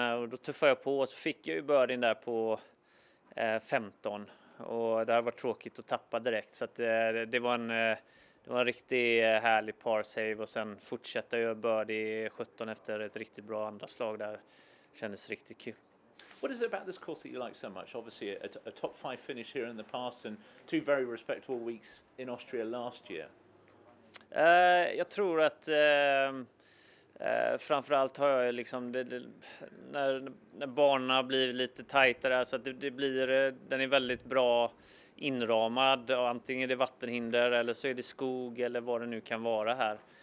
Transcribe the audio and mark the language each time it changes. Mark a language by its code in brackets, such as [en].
[sv] Då tuffade jag på och så fick jag ju birdien där på 15. Och det här var tråkigt att tappa direkt. Så att, det var en riktigt härlig par save och sen fortsatte jag birdie 17 efter ett riktigt bra andra slag där. Kändes riktigt kul. [en] What is it about this course that you like so much? Obviously, a top five finish here in the past and two very respectable weeks in Austria last year. [sv] Jag tror att framförallt har jag liksom när banorna blir lite tajtare, så att den är väldigt bra inramad, och antingen är det vattenhinder eller så är det skog eller vad det nu kan vara här.